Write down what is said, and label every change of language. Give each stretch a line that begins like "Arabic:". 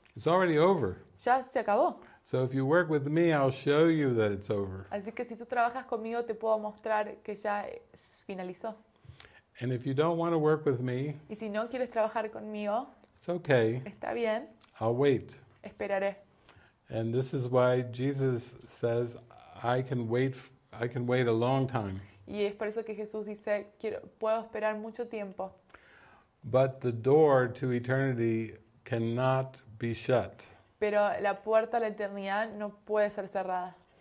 English: It's already over.
Spanish: Ya se acabó.
English: So if you work with me, I'll show you that it's over.
Spanish: Así que si tú trabajas conmigo, te puedo mostrar que ya finalizó.
English: And if you don't want to work with me,
Spanish: y si no quieres trabajar conmigo,
English: it's okay.
Spanish: Está bien.
English: I'll wait.
Spanish: Esperaré.
English: And this is why Jesus says, I can wait a long time.
Spanish: Y es por eso que Jesús dice, puedo esperar mucho tiempo.
English: But the door to eternity cannot be shut.
Spanish: Pero la puerta a la eternidad no puede ser cerrada.